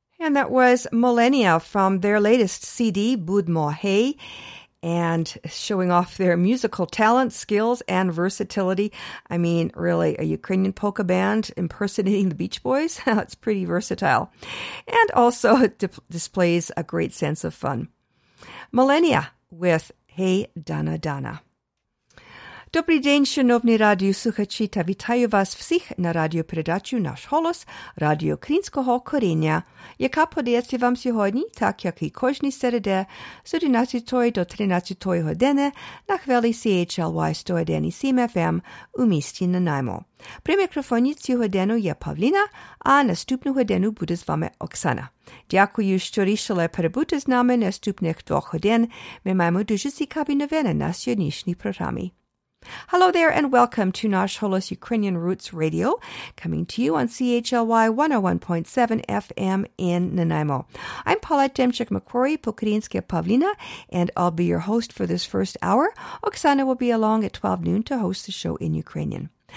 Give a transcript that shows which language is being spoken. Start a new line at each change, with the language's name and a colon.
English: That was Millennia from their latest CD, Bud Mo Hey, and showing off their musical talent, skills, and versatility. I mean, really, a Ukrainian polka band impersonating the Beach Boys? That's pretty versatile. And also displays a great sense of fun. Millennia with Hey Dana Dana.
Ukrainian: Добрий день, шановні радіослухачі, та вітаю вас всіх на радіопередачі «Наш голос» Радіо Українського коріння, яка подається вам сьогодні, так як і кожні середи, з 11 до 13 години на хвилі CHLY 101.7 FM у місті Нанаймо. При мікрофоні цього дену є Павліна, а наступного дену буде з вами Оксана. Дякую, що рішили перебути з нами наступних двох годин. Ми маємо дуже цікаві новини на сьогоднішній програмі.
English: Hello there and welcome to Nash Holos Ukrainian Roots Radio, coming to you on CHLY 101.7 FM in Nanaimo. I'm Paulette Demchik-McQuarrie, Pokrinska Pavlina, and I'll be your host for this first hour. Oksana will be along at 12 noon to host the show in Ukrainian.